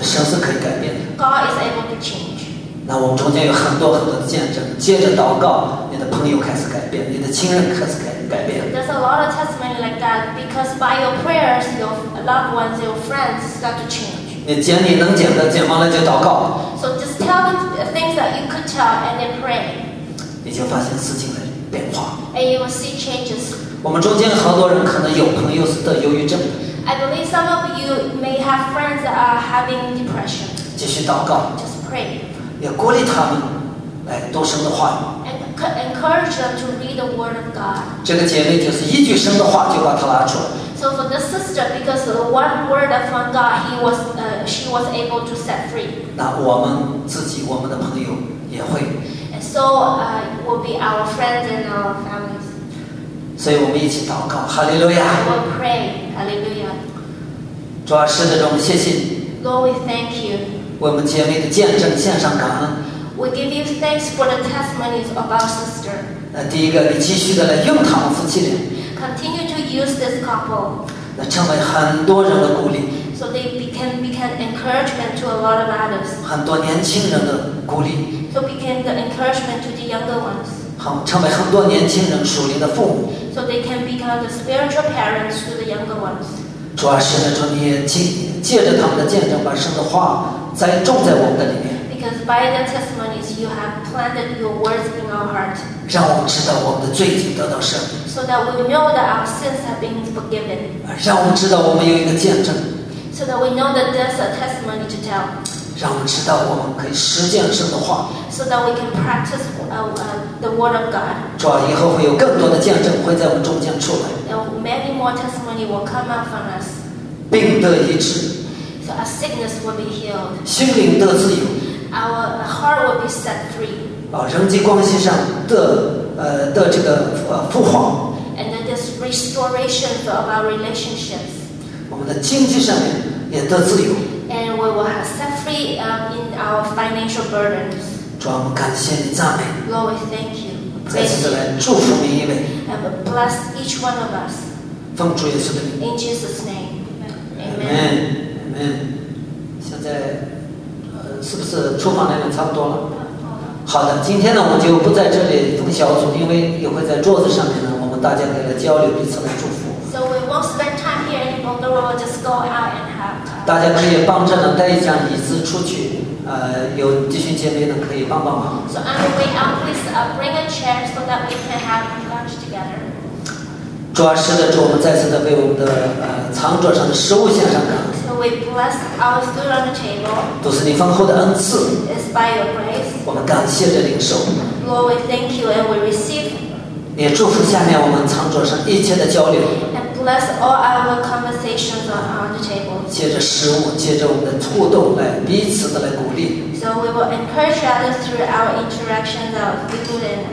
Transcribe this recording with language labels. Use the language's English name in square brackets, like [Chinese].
[Chinese] 神是可以改变的。 [English] God is able to change. [Chinese] 那我们中间有很多很多的见证，接着祷告，你的朋友开始改变，你的亲人开始改变。 [English] There's a lot of testimony like that because by your prayers, your loved ones, your friends start to change. [Chinese] 你讲你能讲的，讲完了就祷告。 [English] So just tell the things that you could tell and then pray. [Chinese] 你就发现事情的变化。 [English] And you will see changes. [Chinese] 我们中间好多人可能有朋友是得忧郁症。 [English] I believe some of you may have friends that are having depression. [Chinese] 继续祷告。 [English] Just pray. [Chinese] 也鼓励他们来读神的话语。 [English] And encourage them to read the Word of God. [Chinese] 这个姐妹就是一句神的话就把她拉住。 [English] So for this sister, because of one word from God, she was able to set free. [Chinese] 那我们自己，我们的朋友也会。 [English] And so, will be our friends and our families. [Chinese] 所以我们一起祷告，哈利路亚。 [English] We will pray, Hallelujah. [Chinese] 主啊，是这种谢谢。 [English] Lord, we thank you. [Chinese] 为我们姐妹的见证献上感恩。 [English] We give you thanks for the testimonies of our sister. [Chinese] 那第一个，你继续的来用他们夫妻俩。 [English] Continue to use this couple. [Chinese] 那成为很多人的鼓励。 [English] So they became encouragement to a lot of others. [Chinese] 很多年轻人的鼓励。 [English] So became the encouragement to the younger ones. [Chinese] 好，成为很多年轻人属灵的父母。 [English] So they can become the spiritual parents to the younger ones. [Chinese] 主啊，是那种你借着他们的见证，把神的话栽种在我们的里面。 [English] Because by their testimonies, you have planted your words in our heart. [Chinese] 让我们知道我们的罪已经得到赦免。 [English] So that we know that our sins have been forgiven. [Chinese] 让我们知道我们有一个见证。 [English] So that we know that there's a testimony to tell. [Chinese] 让我们知道我们可以实践神的话。 [English] So that we can practice the word of God. [Chinese] 主啊，以后会有更多的见证会在我们中间出来。 [English] And many more testimony will come out from us. [Chinese] 病得医治。 [English] So our sickness will be healed. [Chinese] 心灵得自由。 [English] Our heart will be set free. [Chinese] 啊，人际关系上的这个复活。 [English] And then this restoration of our relationships. [Chinese] 我们的经济上面也得自由。 [English] And we will have set free in our financial burdens. [Chinese] 主啊，我们感谢你，赞美。 [English] Lord, we thank you. [Chinese] 再次的来祝福每一位。 [English] And bless each one of us. [Chinese] 奉主耶稣的名。 [English] In Jesus' name. Amen. Amen. Amen. [Chinese] 现在。是不是出发内容差不多了？好的，今天呢，我们就不在这里分小组，因为也会在桌子上面呢，我们大家给他交流彼此的祝福。 [English] So we won't spend time here anymore. We will just go out and have. [Chinese] 大家可以帮着呢带一张椅子出去，有弟兄姐妹呢可以帮帮忙。 [English] So on the way out, please bring a chair so that we can have lunch together. [Chinese] 主啊，是的，主，我们再次的为我们的餐桌上的食物献上感恩。 [English] We bless our food on the table. It's by your grace. [Chinese] 我们感谢这领受。 [English] Lord, we thank you and we receive. [Chinese] 也祝福下面我们餐桌上一切的交流。 [English] And bless all our conversations on the table. [Chinese] 借着食物，借着我们的互动来彼此的来鼓励。 [English] So we will encourage others through our interactions of food and